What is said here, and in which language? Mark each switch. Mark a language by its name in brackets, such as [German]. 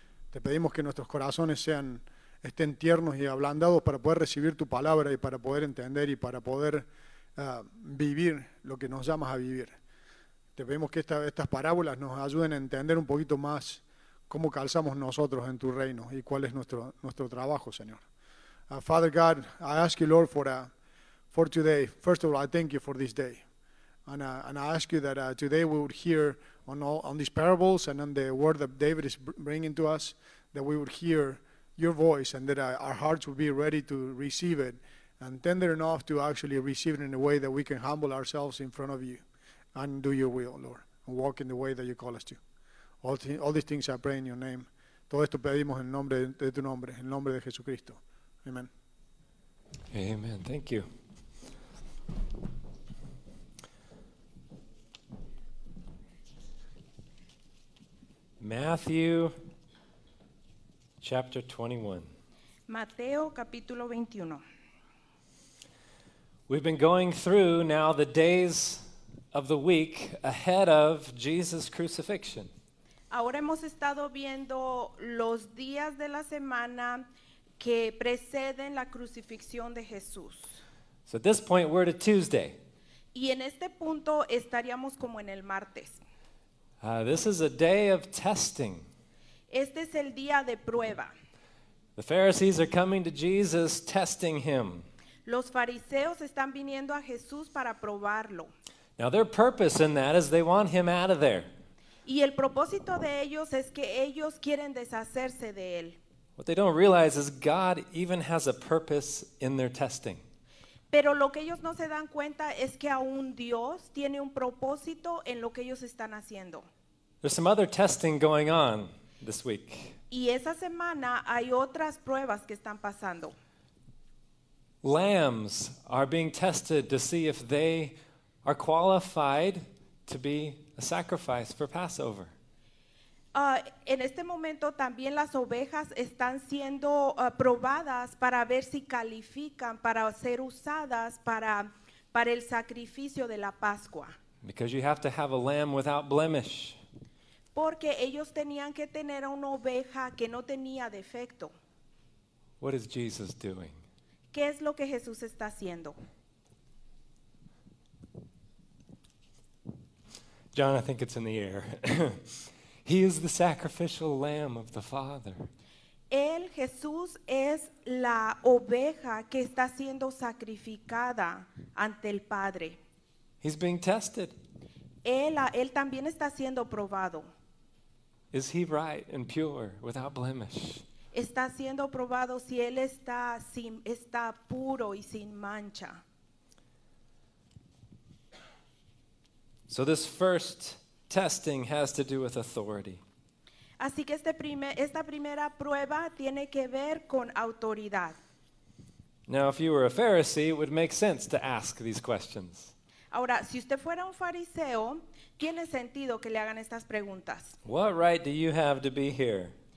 [Spanish] Te pedimos que nuestros corazones estén tiernos y ablandados para poder recibir tu palabra y para poder entender y para poder vivir lo que nos llamas a vivir. Te pedimos que estas parábolas nos ayuden a entender un poquito más cómo calzamos nosotros en tu reino y cuál es nuestro trabajo, Señor. [English] Father God, I ask you, Lord, for today. First of all, I thank you for this day. And I ask you that today we would hear on these parables and on the word that David is bringing to us, that we would hear your voice, and that our hearts would be ready to receive it and tender enough to actually receive it in a way that we can humble ourselves in front of you and do your will, Lord, and walk in the way that you call us to. All these things I pray in your name. [Spanish] Todo esto pedimos en nombre de tu nombre, en nombre de Jesucristo. [English] Amen. Amen. Thank you. Matthew chapter 21. [Spanish] Mateo capítulo 21. [English] We've been going through now the days of the week ahead of Jesus' crucifixion. [Spanish] Ahora hemos estado viendo los días de la semana que preceden la crucifixión de Jesús. [English] So at this point we're at a Tuesday. [Spanish] Y en este punto estaríamos como en el martes. [English] This is a day of testing. [Spanish] Este es el día de prueba. [English] The Pharisees are coming to Jesus testing him. [Spanish] Los fariseos están viniendo a Jesús para probarlo. [English] Now their purpose in that is they want him out of there. [Spanish] Y el propósito de ellos es que ellos quieren deshacerse de él. [English] What they don't realize is God even has a purpose in their testing. [Spanish] Pero lo que ellos no se dan cuenta es que aún Dios tiene un propósito en lo que ellos están haciendo. [English] There's some other testing going on this week. [Spanish] Y esa semana hay otras pruebas que están pasando. [English] Lambs are being tested to see if they are qualified to be a sacrifice for Passover. [Spanish] En este momento también las ovejas están siendo probadas para ver si califican para ser usadas para el sacrificio de la Pascua. [English] Because you have to have a lamb without blemish. [Spanish] Porque ellos tenían que tener una oveja que no tenía defecto. [English] What is Jesus doing? [Spanish] ¿Qué es lo que Jesús está haciendo? [English] John, I think it's in the air. He is the sacrificial lamb of the Father. [Spanish] Él, Jesús, es la oveja que está siendo sacrificada ante el Padre. [English] He's being tested. [Spanish] Él también está siendo probado. [English] Is he right and pure without blemish? [Spanish] Está siendo probado si él está puro y sin mancha. [English] So this first testing has to do with authority. [Spanish] Así que esta primera prueba tiene que ver con autoridad. [English] Now, if you were a Pharisee, it would make sense to ask these questions. [Spanish] Ahora, si usted fuera un fariseo, tiene sentido que le hagan estas preguntas. [English] What right do you have to be here?